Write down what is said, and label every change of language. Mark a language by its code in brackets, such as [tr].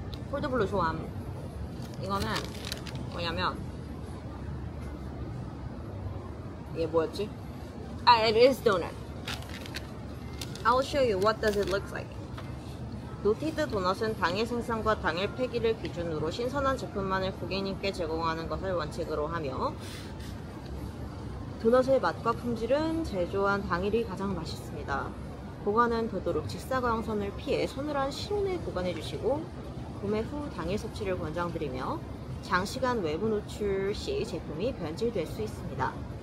[ko] Cold Blue 좋아함. 이거는 뭐냐면 이게 뭐였지? [en] Ah, it is donut. I'll show you what does it looks like. [ko] 노티드 도넛은 당일 생산과 당일 폐기를 기준으로 신선한 제품만을 고객님께 제공하는 것을 원칙으로 하며 도넛의 맛과 품질은 제조한 당일이 가장 맛있습니다. 보관은 되도록 직사광선을 피해 서늘한 실내에 보관해 주시고 구매 후 당일 섭취를 권장드리며 장시간 외부 노출 시 제품이 변질될 수 있습니다.